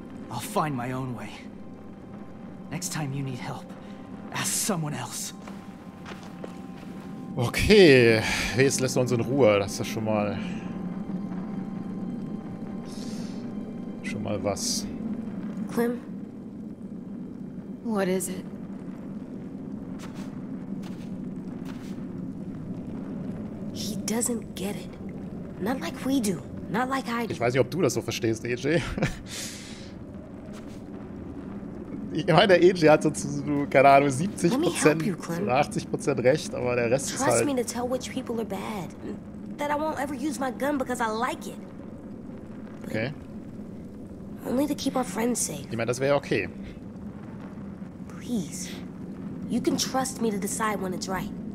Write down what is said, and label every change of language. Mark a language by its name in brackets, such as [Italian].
[English] I'll find my own way. Next time you need help, ask someone else. [German] Okay, jetzt lässt er uns in Ruhe, das ist schon mal... mal was. [English] Clem? What is it? He doesn't get it. Not like we do. Not like I do. [German] Ich weiß nicht, ob du das so verstehst, AJ. Ich meine, der AJ hat so, keine Ahnung, 70% oder 80% recht, aber der Rest ist halt... [English] Trust me to tell which people are bad. That I won't ever use my gun because I like it. Okay. Only to keep our friends safe. [German] Ich meine, das wäre okay. [English] Please. You can trust me to decide when it's right.